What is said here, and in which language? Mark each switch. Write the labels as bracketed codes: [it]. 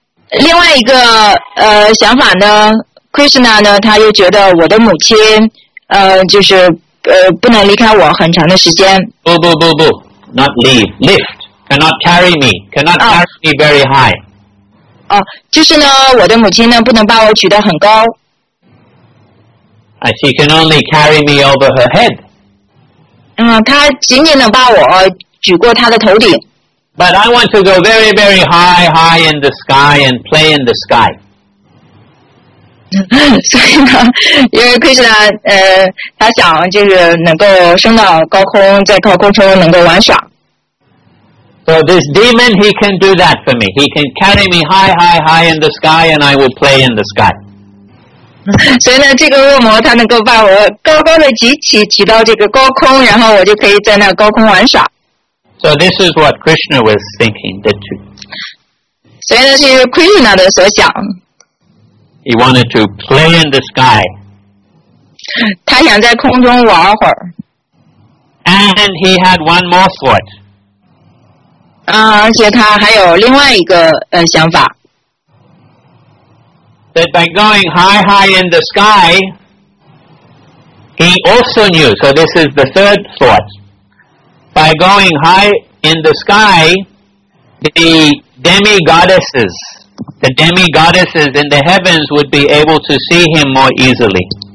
[zh] 另外一个想法呢 ，Krishna 呢，他又觉得我的母亲就是不能离开我很长的时间。不 [en] not leave, lift, cannot carry me, cannot carry me very high. [zh] 就是呢，我的母亲呢不能把我举得很高。 [en] She can only carry me over her head. [zh] 她仅仅能把我举过她的头顶。 [en] But I want to go very, very high, high in the sky and play in the sky. [zh] 所以呢，因为 Krishna 他想就是能够升到高空，在高空中能够玩耍。 [en] So this demon, he can do that for me. He can carry me high, high, high in the sky, and I will play in the sky. [zh] 所以呢，这个恶魔他能够把我高高的举起，举到这个高空，然后我就可以在那高空玩耍。 [en] So this is what Krishna was thinking, didn't you? [zh] 所以呢，是Krishna的所想。 [en] He wanted to play in the sky. [zh] 他想在空中玩会儿。 [en] And he had one more thought. [zh] 而且他还有另外一个想法。 [en] That by going high, high in the sky, he also knew. So this is the third thought. By going high in the sky, the demigoddesses in the heavens would be able to see him more easily.